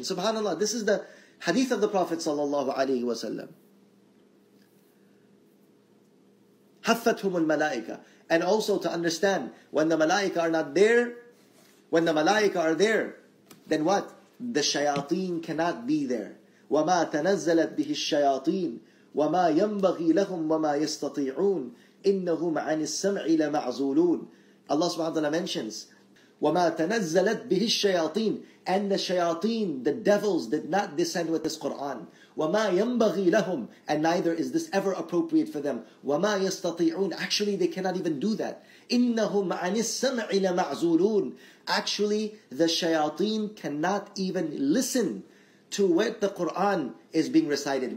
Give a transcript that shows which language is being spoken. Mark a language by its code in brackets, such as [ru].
[en] Subhanallah, this is the hadith of the Prophet sallallahu alayhi wa sallam. [ar] حفتهم الملائكة. [en] And also to understand, when the malaika are not there, when the malaika are there, then what? The shayateen cannot be there. [ar] وما تنزلت به الشياطين وما ينبغي لهم وما يستطيعون إنهم عن السمع لمعزولون. [en] Allah subhanahu wa ta'ala mentions, [ar] وما تنزلت به الشياطين. [en] And the shayateen, the devils, did not descend with this Quran. [ar] وَمَا يَنْبَغِي لَهُمْ. [en] And neither is this ever appropriate for them. [ar] وَمَا يَسْتَطِيعُونَ. [en] Actually, they cannot even do that. [ar] إِنَّهُمْ عَنِ السَّمْعِ لَمَعْزُولُونَ. [en] Actually, the shayateen cannot even listen to what the Qur'an is being recited.